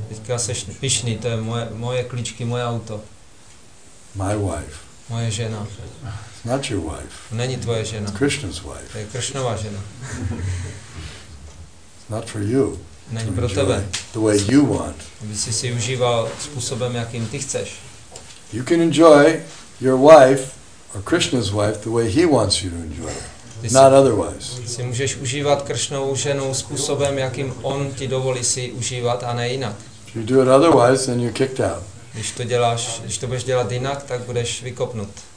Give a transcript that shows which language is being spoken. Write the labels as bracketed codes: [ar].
[cs] Teďka jsi pyšný, to je moje klíčky, moje auto. [en] My wife. [cs] Moje žena. [en] It's not your wife. [cs] Není tvoje žena. [en] It's Krishna's wife. [cs] To je Krishnova žena. [en] It's not for you. [cs] Není pro tebe. [en] The way you want. [cs] Aby jsi si užíval způsobem, jakým ty chceš. [en] You can enjoy your wife or Krishna's wife the way he wants you to enjoy. Not otherwise. [cs] Si můžeš užívat Krishnovu ženu způsobem, jakým on ti dovolí si užívat, a ne jinak. [en] If you do it otherwise, then you're kicked out. [cs] Když to budeš dělat jinak, tak budeš vykopnut.